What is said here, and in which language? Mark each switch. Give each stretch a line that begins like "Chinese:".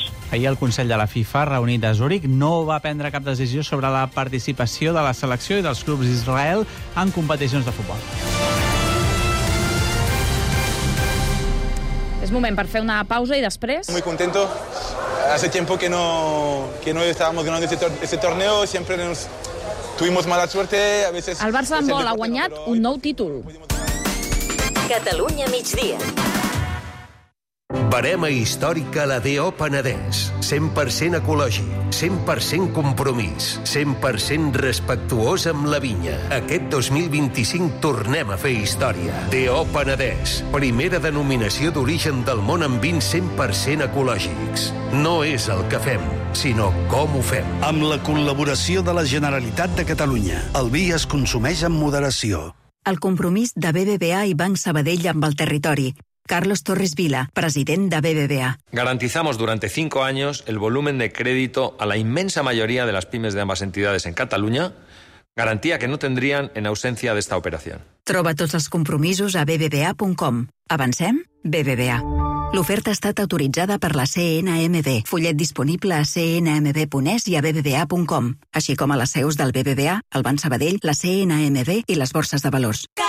Catalan: Ahir el Consell de la FIFA, reunit a Zúric, no va prendre cap decisió sobre la participació de la selecció i dels clubs d'Israel en competicions de futbol. Es moment per fer una pausa i després.
Spanish: Muy contento. Hace tiempo que no estábamos ganando este torneo, siempre nos tuvimos mala suerte, a veces.
Catalan: El Barça en vol ha guanyat un nou títol. Catalunya migdia. Verema històrica la D.O. Penedès. 100% ecològic, 100% compromís, 100% respectuós amb la vinya. Aquest 2025 tornem a fer història. D.O. Penedès, primera denominació d'origen del món amb vins 100% ecològics. No és el que fem, sinó com ho fem. Amb la col·laboració de la Generalitat de Catalunya, el vi es consumeix amb moderació. El compromís de BBVA i Banc Sabadell amb el territori. Carlos Torres Vila, president de BBVA.
Spanish: Garantizamos durante 5 años el volumen de crédito a la inmensa mayoría de las pymes de ambas entidades en Cataluña, garantía que no tendrían en ausencia de esta operación.
Catalan: Troba tots els compromisos a bbva.com. Avancem? BBVA. L'oferta ha estat autoritzada per la CNMV. Fullet disponible a cnmv.es i a bbva.com, així com a les seus del BBVA, el Banc Sabadell, la CNMV i les borses de valors.